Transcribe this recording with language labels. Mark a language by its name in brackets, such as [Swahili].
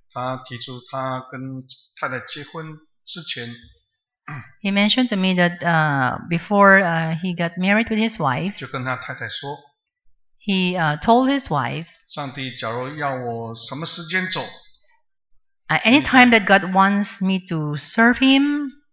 [Chinese] 他提出他跟太太结婚之前, [English] he mentioned to me that before he got married with his wife, [Chinese] 就跟他太太说, [English] he told his wife, [Chinese] 上帝假如要我什么时间走, [English] anytime that God wants me to serve him,